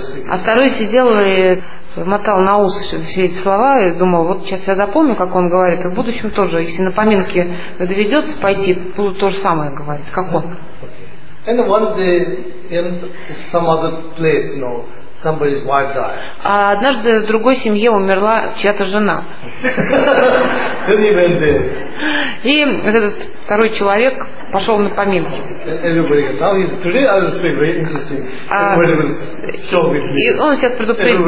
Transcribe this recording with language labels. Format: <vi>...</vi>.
<ru>А второй сидел и мотал на ус все эти слова и думал, вот сейчас я запомню, как он говорит, и в будущем тоже, если на поминки доведется пойти, буду то же самое говорить, как он.</ru> <en>And one day in some other place, you know. Somebody's wife died.</en> <ru>А однажды в другой семье умерла чья-то жена.</ru> <en>Then he went there.</en> <ru>И вот этот второй человек пошел на поминки. И он сейчас предупредил.</ru>